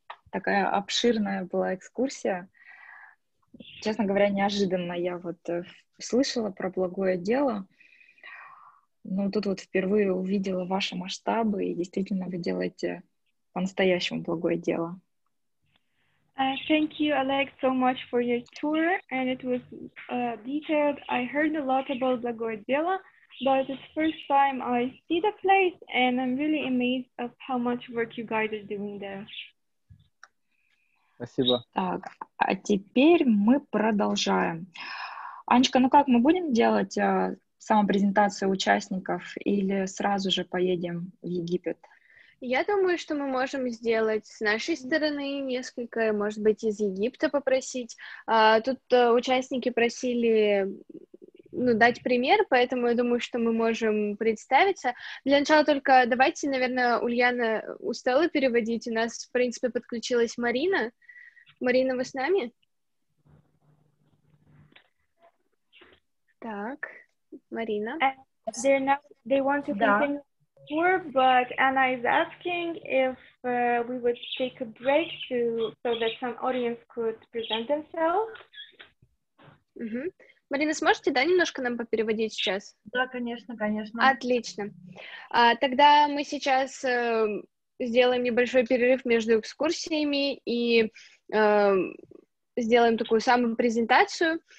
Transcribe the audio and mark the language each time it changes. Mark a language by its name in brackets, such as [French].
[Russian] Такая обширная была экскурсия. Честно говоря, неожиданно я вот слышала про благое дело. Но тут вот впервые увидела ваши масштабы, и действительно вы делаете по-настоящему благое дело. [English] Thank you, Alex, so much for your tour, and it was detailed. I heard a lot about Blagoje Delo, but it's the first time I see the place, and I'm really amazed of how much work you guys are doing there. [Russian] Спасибо. Так, а теперь мы продолжаем. Анечка, ну как, мы будем делать самопрезентацию участников или сразу же поедем в Египет? Я думаю, что мы можем сделать с нашей стороны несколько, может быть, из Египта попросить. Тут участники просили, ну, дать пример, поэтому я думаю, что мы можем представиться. Для начала только давайте, наверное, Ульяна устала переводить. У нас, в принципе, подключилась Марина. Марина, вы с нами? Так, Марина. [English] They're not, they want to continue the tour, but Anna is asking if we would take a break to, so that some audience could present themselves. [Russian] Марина, сможете, да, немножко нам попереводить сейчас? Да, конечно, конечно. Отлично. Тогда мы сейчас сделаем небольшой перерыв между экскурсиями и сделаем такую самую презентацию.